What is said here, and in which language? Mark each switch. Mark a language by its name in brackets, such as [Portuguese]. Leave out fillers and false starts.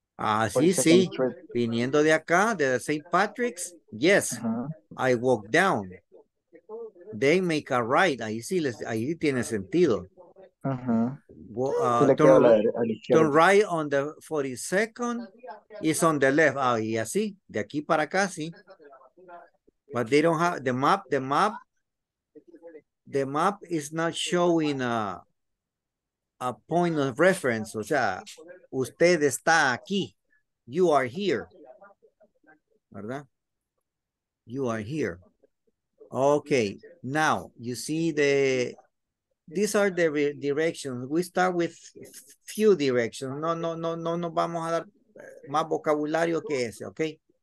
[Spanish] Ah, sí, sí. Street. Viniendo de acá, de St. Patrick's. [English] Yes, uh-huh. I walk down. They make a right. [Spanish] Ahí sí, ahí tiene sentido. Uh-huh. [English] Turn right on the 42nd. It's on the left. [Spanish] Ah, y así, de aquí para acá, sí. [English] But they don't have the map is not showing a point of reference. [Spanish] O sea, usted está aquí. [English] You are here. ¿Verdad? You are here. Okay, now you see these are the directions. We start with few directions. [Spanish] No vamos a dar más vocabulario que ese, okay?